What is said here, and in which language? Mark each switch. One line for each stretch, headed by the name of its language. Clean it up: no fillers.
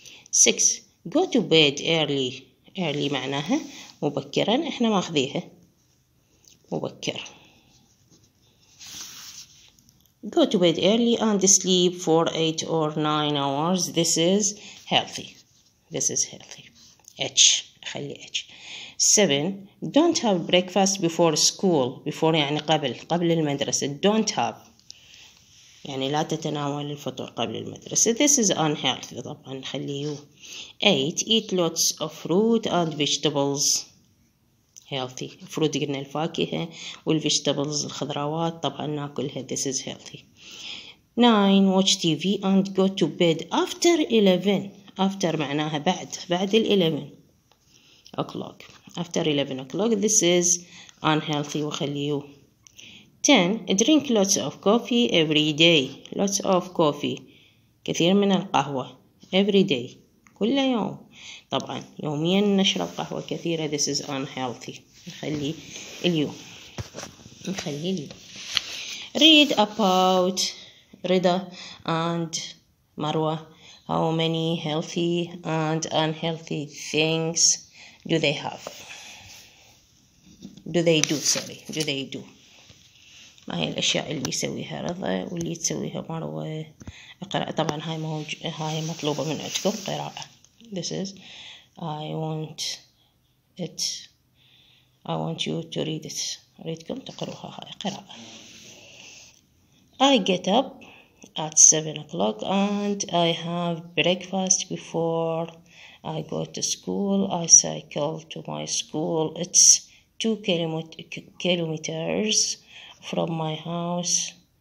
English: 6 go to bed early، early
Arabic: معناها مبكرا، احنا ماخذيها مبكر.
English: go to bed early and sleep for 8 or 9 hours، this is healthy، this is healthy.
Arabic: H خلي H. 7
English: don't have breakfast before school،
Arabic: before يعني قبل، قبل المدرسة، don't have يعني لا تتناول الفطور قبل المدرسة،
English: this is unhealthy
Arabic: طبعا نخليه.
English: 8 eat lots of fruit and vegetables healthy،
Arabic: فروت قلنا الفاكهة والvegetables الخضروات طبعا ناكلها،
English: this is healthy. 9 watch TV and go to bed after 11، after
Arabic: معناها بعد، بعد ال 11
English: o'clock، after 11 o'clock this is unhealthy وخليه.
Arabic: 10
English: drink lots of coffee every day،
Arabic: lots of coffee كثير من القهوة، every day كل يوم طبعا يوميا نشرب قهوة كثيرة،
English: this is unhealthy
Arabic: نخلي اليوم، نخلي اليوم.
English: read about Reda and Marwa, how many healthy and unhealthy things do they have، do they do sorry، do they do،
Arabic: ما هي الأشياء اللي يسويها رضا واللي تسويها مروة. اقرأ طبعا هاي موج، هاي مطلوبة من عندكم قراءة،
English: this is I want it، I want you to read it،
Arabic: أريدكم تقروها هاي قراءة.
English: I get up at 7 o'clock and I have breakfast before I go to school. I cycle to my school. It's 2 kilometers from my house.